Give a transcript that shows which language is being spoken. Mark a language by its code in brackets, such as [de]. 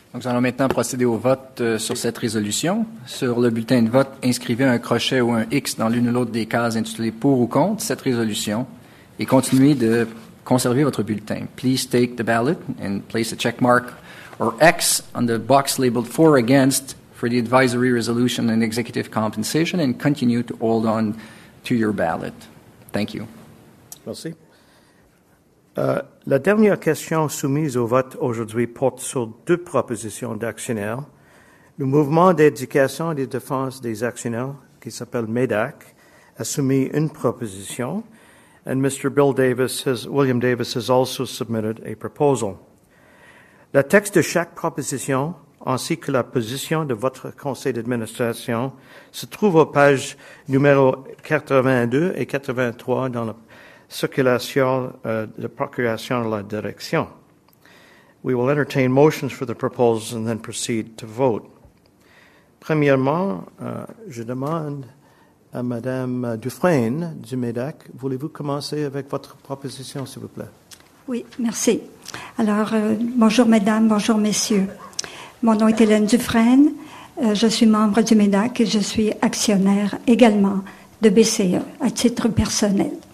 [fr] Donc, nous allons maintenant procéder au vote sur cette résolution. Sur le bulletin de vote, inscrivez un crochet ou un X dans l'une ou l'autre des cases intitulées « Pour ou contre » cette résolution et continuez de conserver votre bulletin. [en] Please take the ballot and place a check mark or X on the box labeled « For or against » for the advisory resolution and executive compensation and continue to hold on to your ballot. Thank you. [fr] Merci. La dernière question soumise au vote aujourd'hui porte sur deux propositions d'actionnaires. Le mouvement d'éducation et de défense des actionnaires, qui s'appelle MEDAC, a soumis une proposition, [en] and William Davis has also submitted a proposal. [fr] Le texte de chaque proposition, ainsi que la position de votre conseil d'administration, se trouve aux pages numéro 82 et 83 dans la circulation de procuration de la direction. [en] We will entertain motions for the proposals and then proceed to vote. [fr] Premièrement, je demande à Madame Dufresne du MEDAC, voulez-vous commencer avec votre proposition, s'il vous plaît? Oui, merci. Alors, bonjour Mesdames, bonjour Messieurs. Mon nom est Hélène Dufresne, je suis membre du MEDAC et je suis actionnaire également de BCE à titre personnel.